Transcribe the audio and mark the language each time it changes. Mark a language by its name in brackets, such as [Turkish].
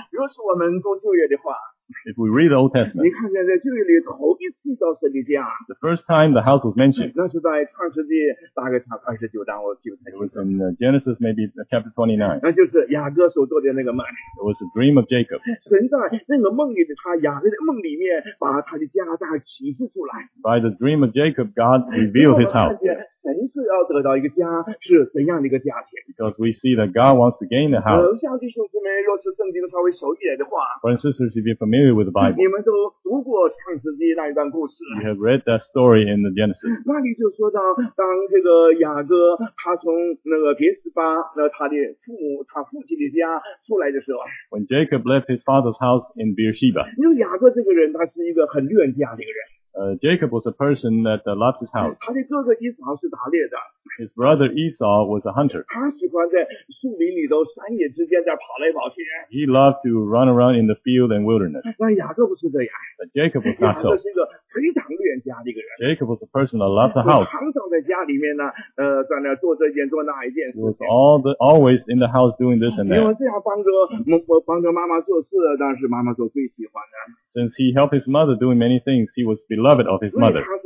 [Chinese] 如果是我们读旧约的话, [English] if we read the Old Testament, [Chinese] 你看见在旧约里头一次到神的家, [English] the first time the house was mentioned, [Chinese] 那是在创世纪大概29章, [English] it was in Genesis maybe chapter 29. [Chinese] 那就是雅各所做的那个梦, [English] it was a dream of Jacob. [Chinese] 神在那个梦里的他, 雅各的梦里面把他的家大概启示出来, [English] by the dream of Jacob, God revealed his house. [Chinese] 神是要得到一个家，是怎样的一个家庭？ [English] Because we see that God wants to gain the house. [Chinese] 像弟兄姊妹，若是圣经稍微熟一点的话， [English] For sisters to be familiar with the Bible. [Chinese] 你们都读过创世纪那一段故事。 [English] You have read that story in the Genesis. [Chinese] 那里就说到，当这个雅各他从那个别示巴，那他的父母，他父亲的家出来的时候。 [English] When Jacob left his father's house in Beersheba. [Chinese] 因为雅各这个人，他是一个很恋家的一个人。 [English] Jacob was a person that loved his house. [Chinese] 他的哥哥以扫是打猎的。 [English] His brother Esau was a hunter. [Chinese] 他喜欢在树林里头山野之间在跑来跑去。 [English] He loved to run around in the field and wilderness. [Chinese] 那雅各不是这样。 [English] But Jacob was not so. [Chinese] 雅各是一个非常恋家的一个人。 [English] Jacob was a person that loved the house. [Chinese] 常常在家里面呢，在那做这件做那一件事。 [English] He was always in the house doing this and that. [Chinese] 因为这样帮着妈妈做事，当时妈妈做最喜欢的。 [English] Since he helped his mother doing many things, he was beloved of his mother.